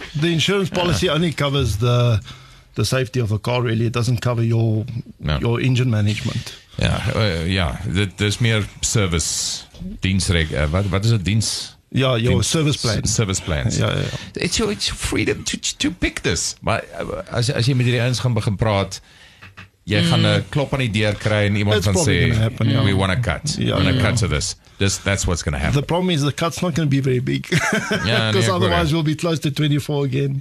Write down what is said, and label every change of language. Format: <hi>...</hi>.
<en>The insurance policy only covers the safety of a car, really. It doesn't cover your engine management. Yeah, there's mere service. What is it? Dienst? Yeah, your service plan. Service plans. Yeah. It's freedom to pick this. But as you meet the ones</en> <af>gaan begin praat, jy gaan 'n klop aan die deur kry en iemand van sê,</af> <en>we want a cut. Yeah, we want a cut to this. That's what's going to happen. The problem is the cut's not going to be very big. Yeah, because otherwise we'll be close to 24 again.</en>